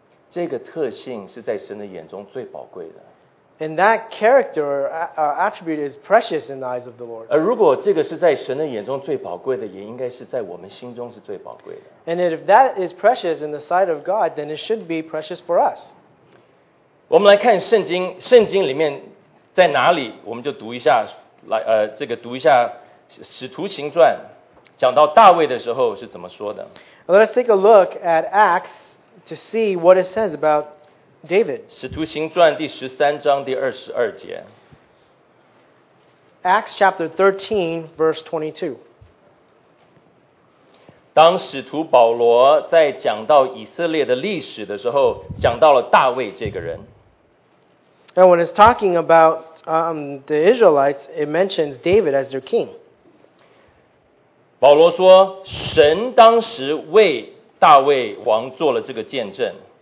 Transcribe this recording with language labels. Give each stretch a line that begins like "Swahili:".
Chinese: 这个特性是在神的眼中最宝贵的。
English: And that character attribute is precious in the eyes of the Lord.
Chinese: 而如果这个是在神的眼中最宝贵的，也应该是在我们心中是最宝贵的。
English: And if that is precious in the sight of God, then it should be precious for us.
Chinese: 我们来看圣经里面在哪里，我们就读一下，来这个读一下。使徒行传讲到大卫的时候是怎么说的
English: ？Let us take a look at Acts to see what it says about David.
Chinese: 使徒行传第十三章第二十二节。
English: Acts chapter 13, verse 22.
Chinese: 当使徒保罗在讲到以色列的历史的时候，讲到了大卫这个人。
English: And when it's talking about the Israelites, it mentions David as their king.
Chinese: 保罗说，神当时为大卫王做了这个见证。